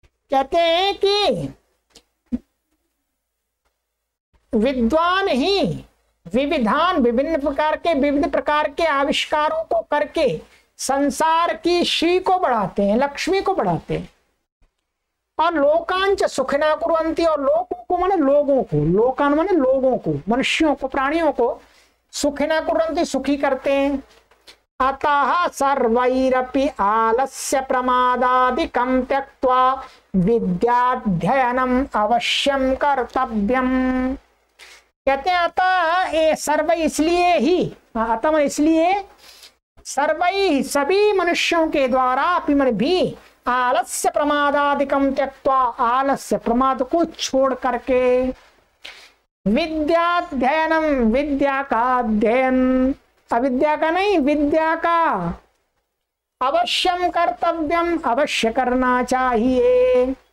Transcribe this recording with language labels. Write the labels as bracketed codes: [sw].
[hi] कहते हैं कि विद्वान ही विविधान विभिन्न प्रकार के विविध प्रकार के आविष्कारों को करके संसार की श्री को बढ़ाते हैं, लक्ष्मी को बढ़ाते हैं। और [sa] लोकांच सुखिना कुरंती, [hi] और लोगों को माने लोगों को, लोकान माने लोगों को, मनुष्यों को, प्राणियों को सुखिना कुरंती, सुखी करते हैं। [sa] अतः सर्वैरपि आलस्य प्रमादादिकं त्यक्त्वा विद्याध्ययनम अवश्यं कर्तव्यम्। [hi] कहते हैं अतः ये सर्व, इसलिए ही अतः इसलिए सर्वई सभी मनुष्यों के द्वारा अपिमन भी [sa] आलस्य प्रमादादिकं त्यक्त्वा, [hi] आलस्य प्रमाद को छोड़ करके, विद्याध्ययनम विद्या का अध्ययन, अविद्या का नहीं विद्या का, [sa] अवश्यम कर्तव्यम [hi] अवश्य करना चाहिए।